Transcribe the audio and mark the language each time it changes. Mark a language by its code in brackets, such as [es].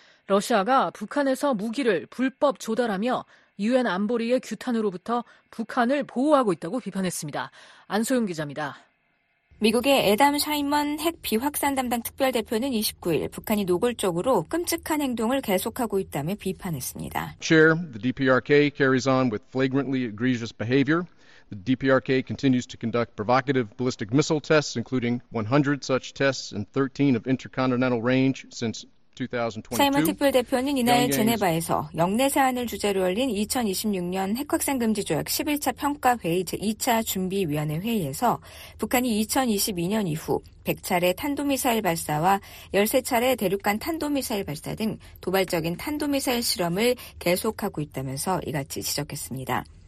[ko] 러시아가 북한에서 무기를 불법 조달하며 유엔 안보리의 규탄으로부터 북한을 보호하고 있다고 비판했습니다. 안소영 기자입니다. 미국의 애담 샤인먼 핵 비확산 담당 특별대표는 29일 북한이 노골적으로 끔찍한 행동을 계속하고 있다며 비판했습니다. [en] Chair, the DPRK carries on with flagrantly egregious behavior. The DPRK continues to conduct provocative ballistic missile tests, including 100 such tests and 13 of intercontinental range since 2022. [ko] 샤인먼 특별대표는 이날 제네바에서 영내 사안을 주제로 열린 2026년 핵확산 금지 조약 11차 평가 회의 제2차 준비 위원회 회의에서 북한이 2022년 이후 100차례 탄도미사일 발사와 13차례 대륙간 탄도미사일 발사 등 도발적인 탄도미사일 실험을 계속하고 있다면서 이같이 지적했습니다.